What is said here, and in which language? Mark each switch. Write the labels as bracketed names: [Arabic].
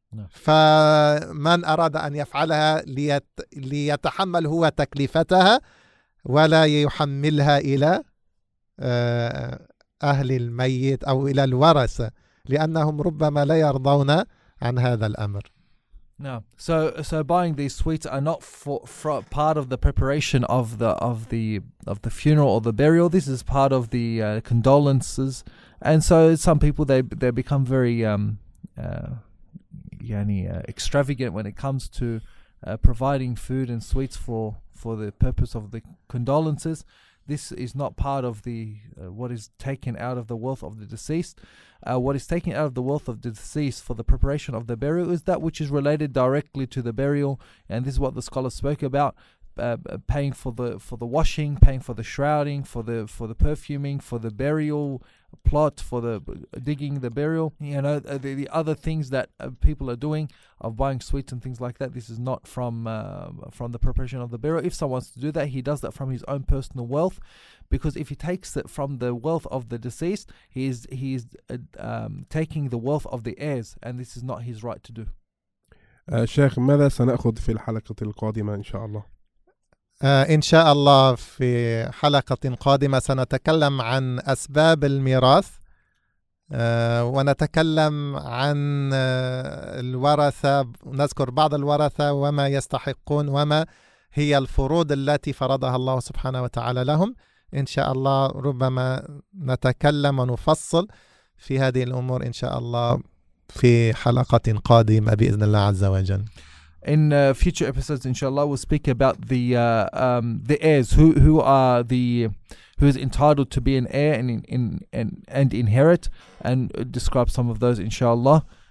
[Arabic] فمن أراد أن يفعلها ليتحمل هو تكلفتها ولا يحملها إلى أهل الميت أو إلى الورثة, لأنهم ربما لا يرضون عن هذا الأمر. [English] Now, so buying these sweets are not for part of the preparation of the funeral or the burial. This is part of the condolences, and so some people they become very extravagant when it comes to providing food and sweets for the purpose of the condolences. This is not part of the what is taken out of the wealth of the deceased. What is taken out of the wealth of the deceased for the preparation of the burial is that which is related directly to the burial. And this is what the scholar spoke about, paying for the washing, paying for the shrouding, for the perfuming, for the burial plot, for the digging the burial. You know, the other things that people are doing of buying sweets and things like that, this is not from the preparation of the burial. If someone wants to do that, he does that from his own personal wealth, because if he takes it from the wealth of the deceased, he is taking the wealth of the heirs, and this is not his right to do. Sheikh, [Arabic] ماذا سنأخذ في الحلقة القادمة إن شاء الله؟ إن شاء الله في حلقة قادمة سنتكلم عن أسباب الميراث, ونتكلم عن الورثة, نذكر بعض الورثة وما يستحقون وما هي الفروض التي فرضها الله سبحانه وتعالى لهم. إن شاء الله ربما نتكلم ونفصل في هذه الأمور إن شاء الله في حلقة قادمة بإذن الله عز وجل. [English] In future episodes, inshallah, we'll speak about the heirs, who are the who is entitled to be an heir and inherit, and describe some of those, inshallah.